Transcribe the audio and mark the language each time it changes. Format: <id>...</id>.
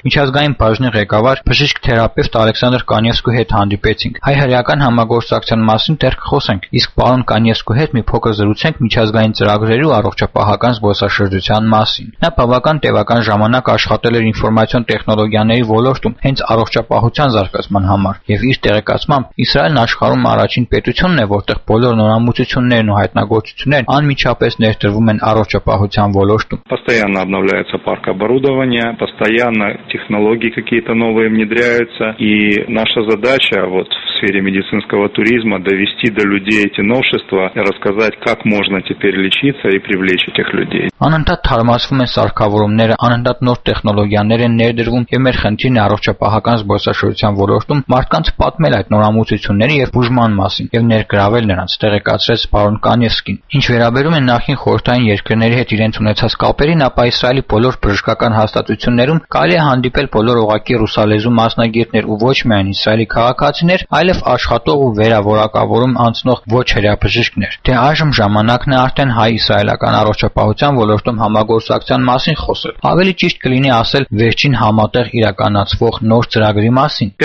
<hy>միջազգային բաժնի ղեկավար բժիշկ թերապևտ Ալեքսանդր Կանյևսկու հետ հանդիպեցինք, հայ հրեական համագործակցության մասին դեռ կխոսենք, իսկ պարոն Կանյևսկու հետ մի փոքր զրուցենք միջազգային ծրագրերի ու առողջապահական զբոսաշրջության մասին։ Նա բավական տևական ժամանակ աշխատել էր ինֆորմացիոն տեխնոլոգիաների ոլորտում հենց առողջապահության զարգացման համար, և իր տեղեկացմամբ Իսրայելն աշխարհում առաջին պետությունն է, որտեղ բոլոր նորամուծություններն ու հայտնագործությունները անմիջապես ներդրվում են առողջապահության ոլորտում։</hy> <ru>Постоянно обновляется парк оборудования, постоянно технологии какие-то новые внедряются, и наша задача вот в сфере медицинского туризма довести до людей эти новшества, рассказать, как можно теперь лечиться и привлечь этих людей.</ru> <hy>Անընդհատ թարմացվում են սարքավորումները, անընդհատ նոր տեխնոլոգիաներ են ներդրվում, և մեր խնդիրն է առողջապահական զբոսաշրջության ոլորտում մարդկանց պատմել այդ նորամուծությունների և բուժման մասին և ներգրավել նրանց, տեղեկացրեց պարոն Կանյևսկին։ Ինչ վերաբերում է նախին խորհրդային երկրների հետ իրենց ունեցած կապերին, ապա Իսրայելի բոլոր բժշկական հաստատություններում կարելի է հանդիպել բոլոր ուղղակի ռուսալեզու մասնագետներ ու ոչ միայն իսրայելի քաղաքացիներ, այլև աշխատող ու վերավորակավորում անցնող ոչ հրեա բժիշկներ։ Դե այժմ ժամանակն է արդեն հայ-իսրայելական առողջապահության ոլորտում համագործակցության մասին խոսել։ Ավելի ճիշտ կլինի ասել վերջին համատեղ իրականացվող նոր ծրագրի մասին։</hy>